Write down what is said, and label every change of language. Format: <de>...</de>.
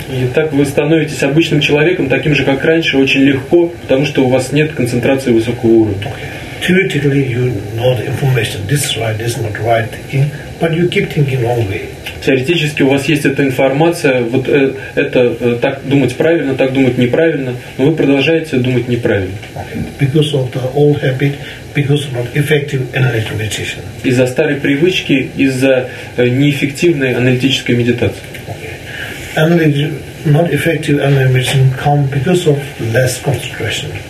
<ru>И так вы становитесь обычным человеком таким же, как раньше, очень легко, потому что у вас нет концентрации высокого уровня.</ru> <en>Okay. Theoretically, you know the information. This is right. This is not right thinking. But you keep thinking wrong way.</en> <ru>Теоретически у вас есть эта информация, вот это так думать правильно, так думать неправильно, но вы продолжаете думать неправильно.</ru> <en>Okay. Because of the old habit. Because of not effective analytical meditation.</en> <ru>Из-за старой привычки, из-за неэффективной аналитической медитации.</ru> <en>Okay. Not effective analytical meditation come because of less concentration.</en>